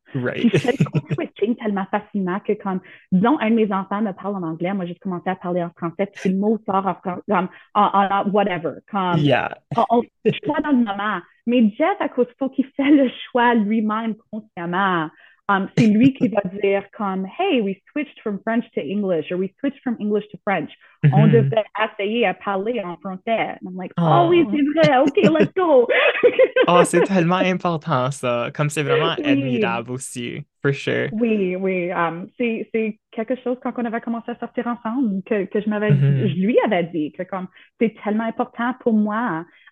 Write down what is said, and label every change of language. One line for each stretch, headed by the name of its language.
French: Puis je fais le code-switching tellement facilement que comme, disons, un de mes enfants me parle en anglais, moi j'ai commencé à parler en français, puis le mot sort en whatever. Comme, on choisit dans le moment. Mais Jeff, à cause, faut qu'il fait le choix lui-même consciemment. C'est lui qui va dire comme,
English: hey, we switched from French to English, or we switched from English to French.
French: On devait essayer à parler en français.
English: And I'm like, oh
French: oui, c'est vrai,
English: OK, let's go.
French: Oh, c'est tellement important ça. Comme c'est vraiment Oui. admirable aussi,
English: for sure.
French: Oui. C'est quelque chose quand on avait commencé à sortir ensemble que je lui avais dit que comme c'est tellement important pour moi.